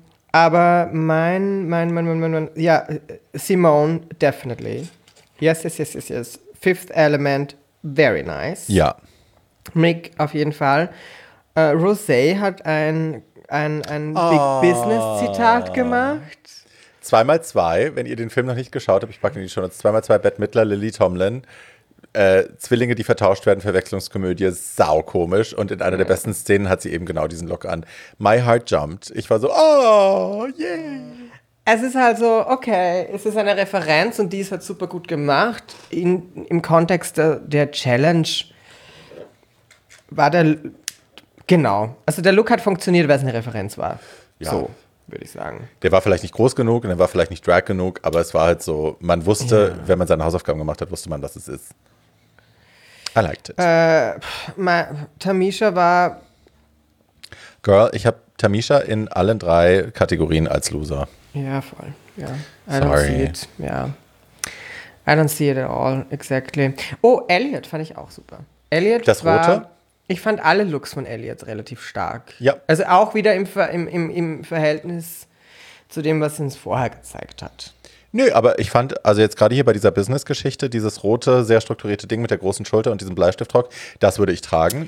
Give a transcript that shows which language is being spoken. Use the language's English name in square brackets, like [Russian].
[German] Aber mein, ja, Simone, definitely. Yes. [English] Fifth Element, very nice. [German] Ja. Mick, auf jeden Fall. Rosé hat ein Big Business Zitat gemacht. 2x2, wenn ihr den Film noch nicht geschaut habt, ich packe ihn schon, 2x2, Bette Midler, Lily Tomlin. Zwillinge, die vertauscht werden, Verwechslungskomödie, saukomisch. Und in einer der besten Szenen hat sie eben genau diesen Look an. [English] My heart jumped. [German] Ich war so, oh, yay. Es ist also, okay, es ist eine Referenz und die ist halt super gut gemacht. Im Kontext der Challenge war der, genau. Also der Look hat funktioniert, weil es eine Referenz war. Ja. So, würde ich sagen. Der war vielleicht nicht groß genug und der war vielleicht nicht drag genug, aber es war halt so, man wusste, wenn man seine Hausaufgaben gemacht hat, wusste man, was es ist. [English] I liked it. [German] Tamisha war... Girl, ich habe Tamisha in allen drei Kategorien als Loser. Ja, voll. Ja. Sorry. Ja. [English] I don't see it at all, exactly. [German] Oh, Elliot fand ich auch super. Elliot das war, Rote? Ich fand alle Looks von Elliot relativ stark. Ja. Also auch wieder im Verhältnis zu dem, was sie uns vorher gezeigt hat. Nö, aber ich fand, also jetzt gerade hier bei dieser Business-Geschichte, dieses rote, sehr strukturierte Ding mit der großen Schulter und diesem Bleistiftrock, das würde ich tragen.